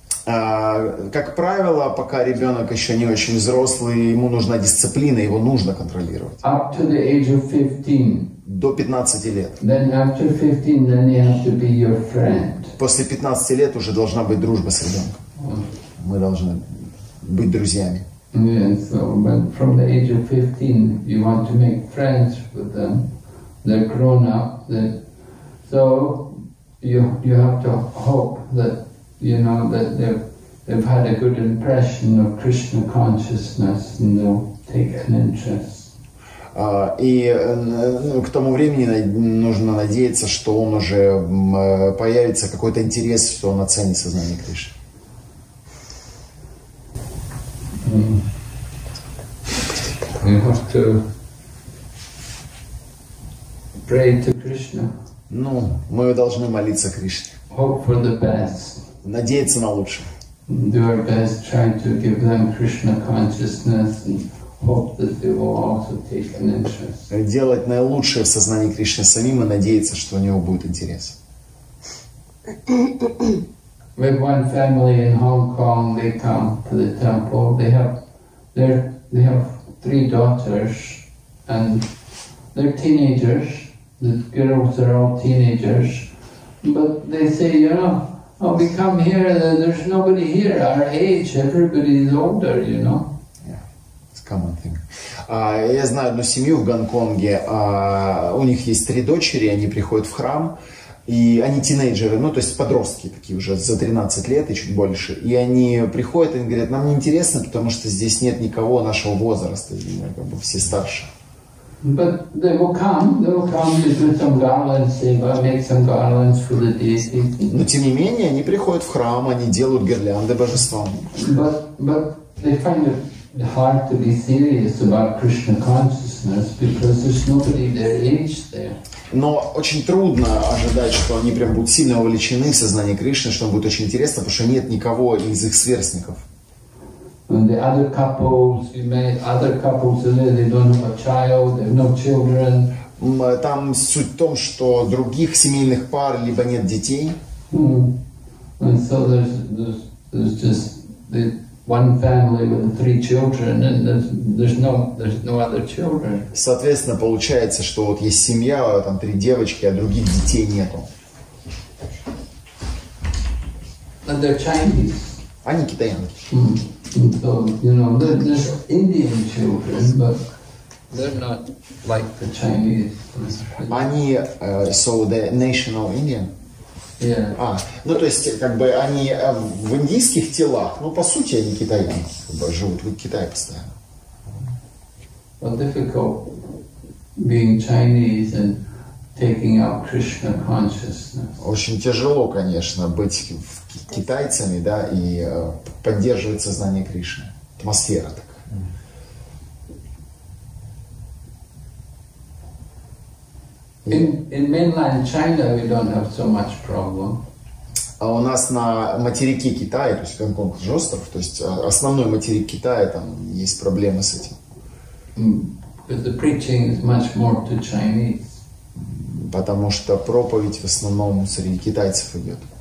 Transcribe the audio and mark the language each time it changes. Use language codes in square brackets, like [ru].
[ru] Как правило, пока ребенок еще не очень взрослый, ему нужна дисциплина, его нужно контролировать. [en] Up to the age of 15. [ru] До 15 лет. [en] Then after 15, then you have to be your friend. [ru] После 15 лет уже должна быть дружба с ребенком. Мы должны быть друзьями. [en] Yeah, so when from the age of 15 you want to make friends with them, they're grown up, so you have to hope that you know that they've had a good impression of Krishna consciousness and they'll take an interest. [ru] И к тому времени нужно надеяться, что он уже появится какой-то интерес, что он оценит сознание Кришны. [en] You have to pray to Krishna. [ru] Ну, мы должны молиться Кришне. [en] Hope for the best. [ru] Надеяться на лучшее. [en] Do our best, try to give them Krishna consciousness and hope that they will also take an interest. [ru] Делать наилучшее в сознании Кришны самим и надеяться, что у него будет интерес. [en] We have one family in Hong Kong, they come to the temple, they have three daughters, and they're teenagers. The girls are all teenagers, but they say, you know, oh, we come here, there's nobody here our age, everybody's older, you know. Yeah, it's common thing. [ru] Я знаю одну семью в Гонконге. У них есть 3 дочери, они приходят в храм. И они тинейджеры, ну, то есть подростки такие уже, за 13 лет и чуть больше. И они приходят, они говорят, нам неинтересно, потому что здесь нет никого нашего возраста, как бы все старше. [en] But they will come to do some garlands, they will make some garlands for the deity. [ru] Но тем не менее, они приходят в храм, они делают гирлянды божествам. [en] But they find it hard to be serious about Krishna consciousness, because there's nobody their age there. [ru] Но очень трудно ожидать, что они прям будут сильно увлечены в сознании Кришны, что им будет очень интересно, потому что нет никого из их сверстников. [en] And the other couples, you met other couples, they don't have a child, they have no children. [ru] Там суть в том, что других семейных пар либо нет детей. Mm-hmm. [en] And so there's just the one family with 3 children, and there's no other children. [ru] Соответственно, получается, что вот есть семья, там 3 девочки, а других детей нету. [en] And they're Chinese. [ru] Они китаянки. Mm-hmm. [en] So, you know, there's Indian children, but they're not like the Chinese. [ru] Они, [en] so the national Indian? Yeah. [ru] Ну, то есть, как бы, они в индийских телах, но по сути они китайцы, как бы, живут в Китае постоянно. [en] Well, difficult being Chinese and taking out Krishna consciousness. [ru] Очень тяжело, конечно, быть китайцами, да, и поддерживать сознание Кришны. Атмосфера такая. [en] In mainland China we don't have so much problem. [ru] А у нас на материке Китая, то есть Гонконг же остров, то есть основной материк Китая, там есть проблемы с этим. [en] The preaching is much more to Chinese. [ru] Потому что проповедь в основном среди китайцев идет.